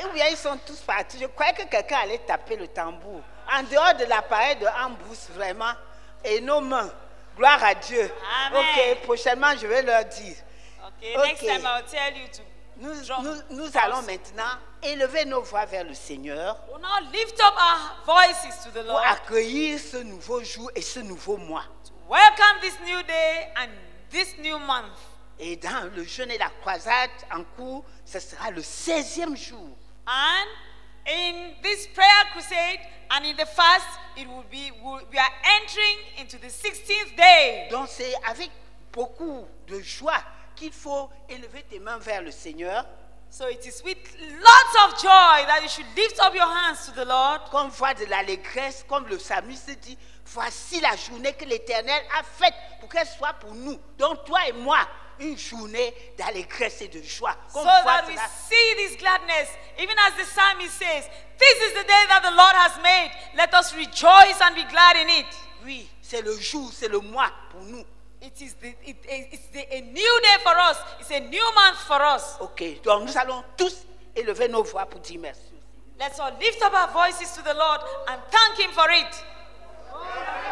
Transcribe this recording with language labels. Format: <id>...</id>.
<fr>Je croyais que quelqu'un allait taper le tambour. En dehors de l'appareil de Ambus, vraiment, et nos mains. Gloire à Dieu. Amen. Ok, prochainement, je vais leur dire.</fr> <en>Ok, okay. Next time I'll tell you to</en> <fr>nous allons maintenant élever nos voix vers le Seigneur.</fr> <en>We'll now lift up our voices to the Lord.</en> <fr>Pour accueillir ce nouveau jour et ce nouveau mois.</fr> <en>To welcome this new day and this new month.</en> <fr>Et dans le jeûne et la croisade en cours, ce sera le 16e jour.</fr> <en>And in this prayer crusade and in the fast, it will be we are entering into the 16th day.</en> <fr>Donc c'est avec beaucoup de joie qu'il faut élever tes mains vers le Seigneur.</fr> <en>So it is with lots of joy that you should lift up your hands to the Lord.</en> <fr>Comme voix de l'allégresse, comme le psalmiste dit, voici la journée que l'Éternel a faite pour qu'elle soit pour nous, donc toi et moi. Une journée d'allégresse et de joie.</fr> <en>So that we see this gladness, even as the psalmist says, this is the day that the Lord has made. Let us rejoice and be glad in it.</en> <fr>Oui, c'est le jour, c'est le mois pour nous.</fr> <en>It is the, it's a new day for us. It's a new month for us.</en> <fr>Ok, donc nous allons tous élever nos voix pour dire merci.</fr> <en>Let's all lift up our voices to the Lord and thank Him for it.</en>